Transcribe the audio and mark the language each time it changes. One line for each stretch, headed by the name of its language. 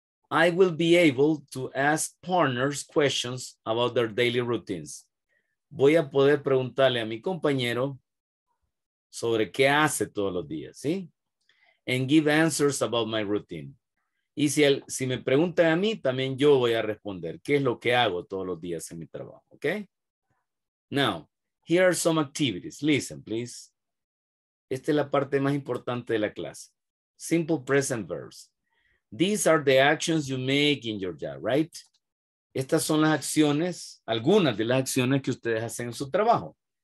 English: I will be able to ask partners questions about their daily routines.
Spanish: Voy a poder preguntarle a mi compañero sobre qué hace todos los días, ¿sí?
English: And give answers about my routine.
Spanish: Y si me preguntan a mí, también yo voy a responder qué es lo que hago todos los días en mi trabajo, ¿okay?
English: Now, here are some activities. Listen, please.
Spanish: Esta es la parte más importante de la clase.
English: Simple present verbs. These are the actions you make in your job, right?
Spanish: Estas son las acciones, algunas de las acciones que ustedes hacen en su trabajo.